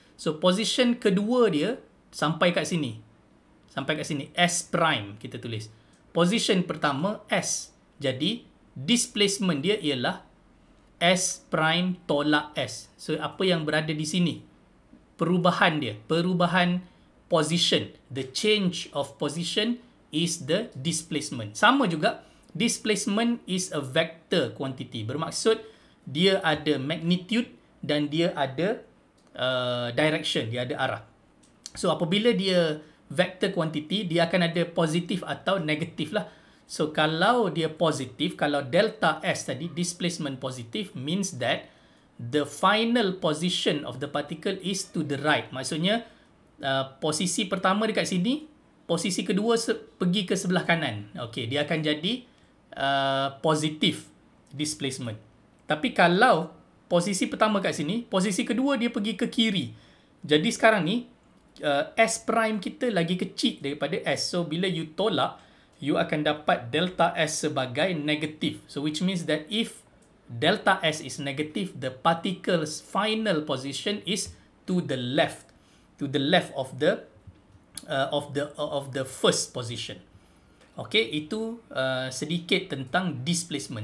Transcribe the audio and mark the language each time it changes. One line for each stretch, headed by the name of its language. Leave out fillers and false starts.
Malay: So, position kedua dia sampai kat sini. Sampai kat sini. S prime kita tulis. Position pertama S. Jadi, displacement dia ialah S prime tolak S. So, apa yang berada di sini? Perubahan dia. Perubahan position.
English: The change of position is the displacement.
Malay: Sama juga,
English: displacement is a vector quantity.
Malay: Bermaksud, dia ada magnitude dan dia ada direction. Dia ada arah. So, apabila dia vector quantity, dia akan ada positif atau negatif lah.
English: So,
Malay: kalau dia positif, kalau delta S tadi, displacement positif,
English: means that the final position of the particle is to the right.
Malay: Maksudnya, posisi pertama dekat sini, posisi kedua pergi ke sebelah kanan. Okay, dia akan jadi positif displacement. Tapi kalau posisi pertama kat sini, posisi kedua dia pergi ke kiri. Jadi sekarang ni, S prime kita lagi kecil daripada S. So, bila you tolak, you akan dapat delta S sebagai negatif.
English: So, which means that if delta S is negative, the particle's final position is to the left. To the left of the of the first position.
Malay: Okay, itu sedikit tentang displacement.